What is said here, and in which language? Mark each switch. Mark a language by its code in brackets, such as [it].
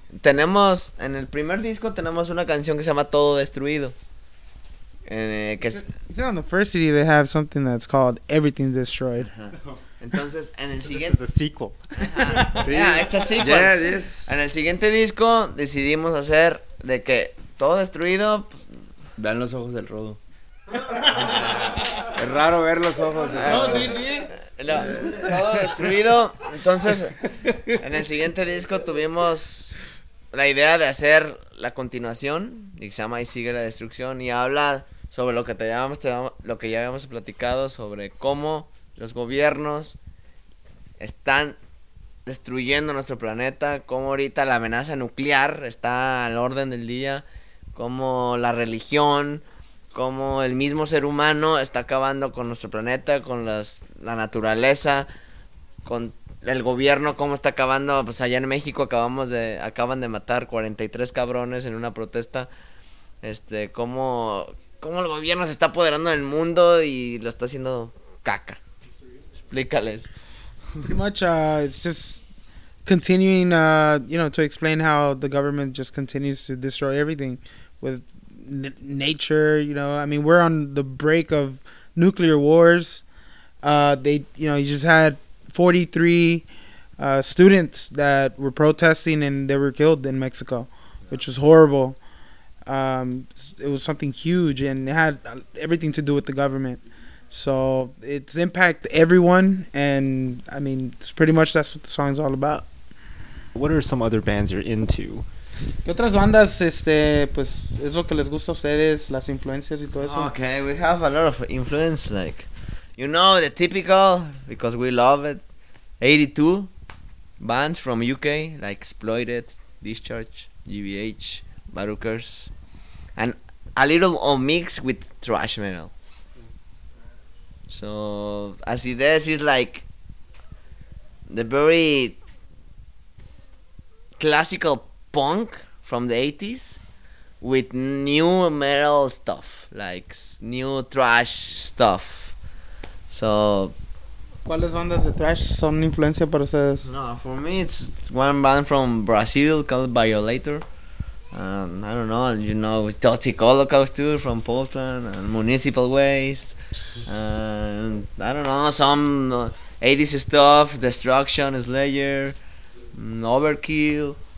[es] Tenemos, en el primer disco tenemos una canción que se llama Todo Destruido. [en] Is it on the first CD they have something that's called Everything Destroyed? [es] Entonces, en el siguiente... [en] This is a sequel. Yeah, it's a sequel. [es] En el siguiente disco decidimos hacer de que todo destruido... Vean los ojos del Rodo. Es raro ver los ojos. No, sí, sí. Todo destruido. Entonces, en el siguiente disco tuvimos la idea de hacer la continuación. Y se llama Y Sigue la Destrucción. Y habla sobre lo que ya habíamos platicado sobre cómo los gobiernos están destruyendo nuestro planeta. Cómo ahorita la amenaza nuclear está al orden del día. Cómo la religión, cómo el mismo ser humano está acabando con nuestro planeta, con la naturaleza, con el gobierno, cómo está acabando. Pues allá en México acaban de matar 43 cabrones en una protesta. Cómo el gobierno se está apoderando del mundo y lo está haciendo caca. Explícales. [en] Pretty much, it's just continuing, to explain how the government just continues to destroy everything. With nature, I mean, we're on the brink of nuclear wars. You just had 43 students that were protesting and they were killed in Mexico, which was horrible. It was something huge and it had everything to do with the government. So it's impact everyone, and I mean, it's pretty much that's what the song's all about. What are some other bands you're into? [es] ¿Qué otras bandas, pues, es lo que les gusta a ustedes, las influencias y todo eso? [en] Okay, we have a lot of influence, like, the typical, because we love it, 82 bands from UK, like Exploited, Discharge, GBH, Barukers, and a little of mix with thrash metal. So, Acidez is like the very classical punk from the 80s with new metal stuff, like new thrash stuff. So, [es] ¿cuáles bandas de thrash son influencia para ustedes? [en] No, for me it's one band from Brazil called Violator. I don't know, Toxic Holocaust too from Poland, and Municipal Waste. And I don't know, some 80s stuff, Destruction, Slayer, Overkill.